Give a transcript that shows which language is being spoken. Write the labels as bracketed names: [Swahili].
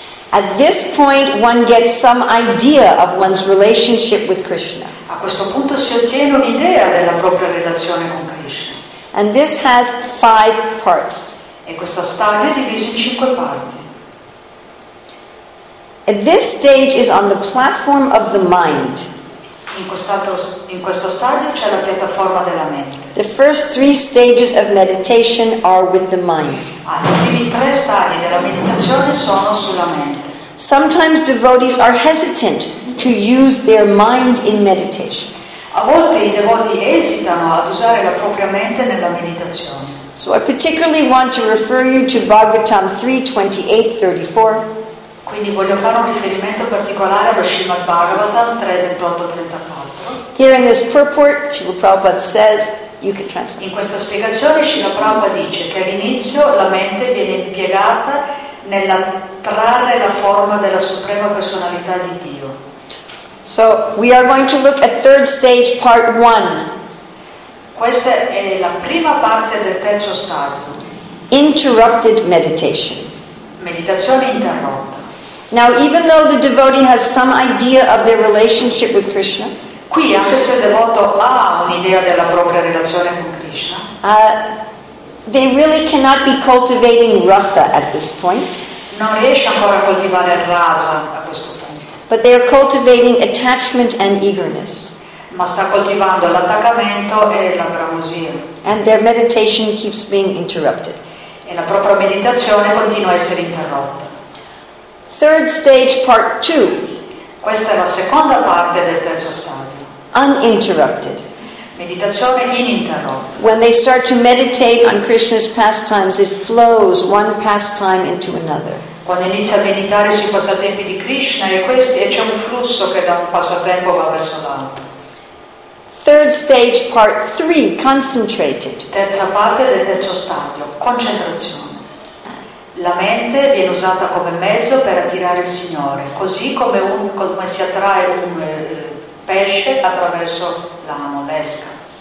[English] At this point one gets some idea of one's relationship with Krishna. [Italian] A questo punto si ottiene un'idea della propria relazione con Krishna. [English] And this has five parts. [Italian] E questo stadio è diviso in cinque parti. [English] At this stage is on the platform of the mind. [Italian] In questo stadio c'è la piattaforma della mente. [English] The first three stages of meditation are with the mind. [Italian] I primi tre stadi della meditazione sono sulla mente. [English] Sometimes devotees are hesitant to use their mind in meditation. [Italian] A volte i devoti esitano ad usare la propria mente nella meditazione. [English] So I particularly want to refer you to Bhagavatam 3:28-34. [Italian] Quindi voglio fare un riferimento particolare allo Srimad Bhagavatam 3:28-34. [English] Here in this purport, Srila Prabhupada says, you can translate. [Italian] In questa spiegazione Srila Prabhupada dice che all'inizio la mente viene impiegata nella trarre la forma della suprema personalità di Dio. [English] So we are going to look at third stage part one. [Italian] Questa è la prima parte del terzo stadio. [English] Interrupted meditation. [Italian] Meditazione interrotta. [English] Now, even though the devotee has some idea of their relationship with Krishna, [Italian] qui anche se il devoto ha un'idea della propria relazione con Krishna, [English] they really cannot be cultivating rasa at this point. [Italian] Non riesce ancora a coltivare rasa a questo punto. [English] But they are cultivating attachment and eagerness. [Italian] Ma sta coltivando l'attaccamento e la bramosia. [English] And their meditation keeps being interrupted. [Italian] E la propria meditazione continua a essere interrotta. [English] Third stage, part two. [Italian] Questa è la seconda parte del terzo stadio. [English] Uninterrupted. [Italian] Meditazione ininterrotta. [English] When they start to meditate on Krishna's pastimes, it flows one pastime into another. [Italian] Quando inizia a meditare sui passatempi di Krishna, e c'è un flusso che da un passatempo va verso l'altro. [English] Third stage, part three, concentrated. [Italian] Terza parte del terzo stadio, concentrazione. La mente viene usata come mezzo per attirare il Signore, così come, come si attrae un pesce attraverso l'amo, l'esca.